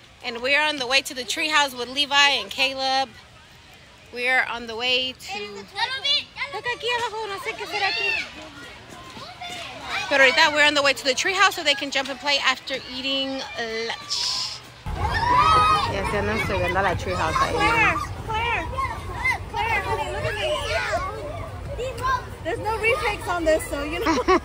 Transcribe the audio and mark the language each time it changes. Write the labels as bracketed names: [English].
[English] And we are on the way to the treehouse with Levi and Caleb. We are on the way to... Look [Spanish] aquí abajo, no sé qué será aquí. [English] But right now, we're on the way to the treehouse so they can jump and play after eating lunch. Yes, they're not so good. Not at treehouse. Claire, Claire, Claire, honey, look at me. There's no retakes on this, so you know.